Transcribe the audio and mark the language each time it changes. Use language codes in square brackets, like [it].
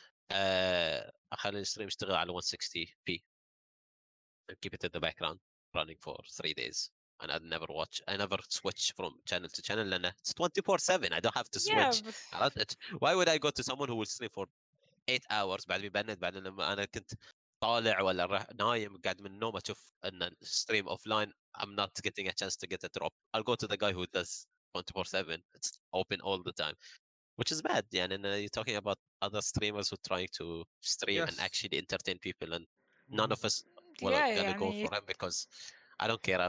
[en] I'll the stream still at 160p. And keep it in the background, running for 3 days, and I'd never watch. I never switch from channel to channel. And it's 24/7. I don't have to switch. Yeah, but... Why would I go to someone who will stream for 8 hours? [ar] بعد بنت بعد لما أنا كنت طالع ولا نايم قاعد من النوم أشوف إن [en] stream offline. I'm not getting a chance to get a drop. I'll go to the guy who does 24/7. It's open all the time, which is bad. Yeah, and you're talking about other streamers who are trying to stream and actually entertain people, and none of us will gonna go for him because I don't care.